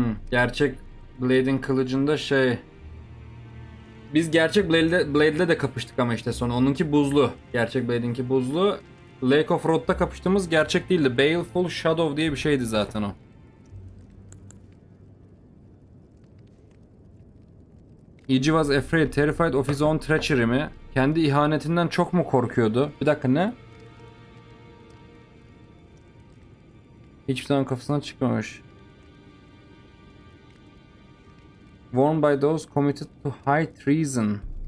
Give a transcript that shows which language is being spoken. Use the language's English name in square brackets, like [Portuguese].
[Turkish] Gerçek Blade'in kılıcında şey. Biz gerçek Blade'le de kapıştık ama işte sonra. Onunki buzlu. Gerçek Blade'inki buzlu. Lake of Rot'ta kapıştığımız gerçek değildi. Baleful Shadow diye bir şeydi zaten o. [English] He was afraid, terrified of his own treachery mi? [Turkish] Kendi ihanetinden çok mu korkuyordu? Bir dakika, ne? Hiçbir zaman kafasına çıkmamış. [English] Warned by those committed to high treason.